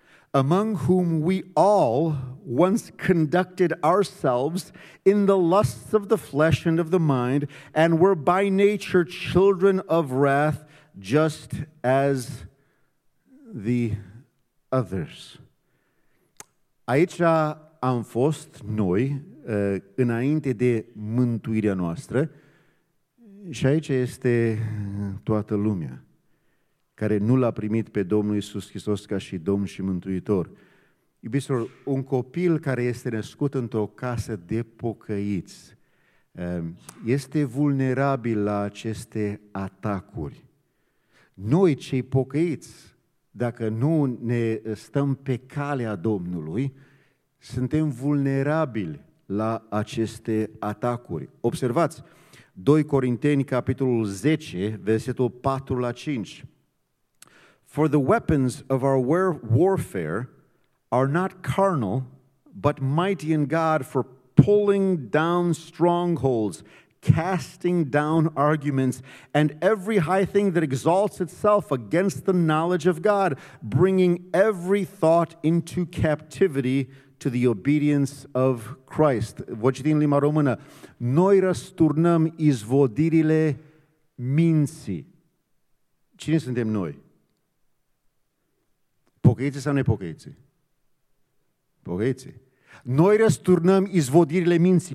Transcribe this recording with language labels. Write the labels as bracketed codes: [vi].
[en] among whom we all once conducted ourselves in the lusts of the flesh and of the mind, and were by nature children of wrath, just as the others." [ro] Aici am fost noi, înainte de mântuirea noastră, și aici este toată lumea care nu l-a primit pe Domnul Iisus Hristos ca și Domn și Mântuitor. Iubiților, un copil care este născut într-o casă de pocăiți este vulnerabil la aceste atacuri. Noi, cei pocăiți, dacă nu ne stăm pe calea Domnului, suntem vulnerabili la aceste atacuri. Observați, 2 Corinteni, capitolul 10, versetul 4 la 5. [en] "For the weapons of our warfare are not carnal, but mighty in God for pulling down strongholds, casting down arguments, and every high thing that exalts itself against the knowledge of God, bringing every thought into captivity to the obedience of Christ." [ro] Voi citi în limba română. Noi răsturnăm izvodirile minții. Cine suntem noi? Pocăiți sau nepocăiți? Pocăiți. Noi răsturnăm izvodirile minții.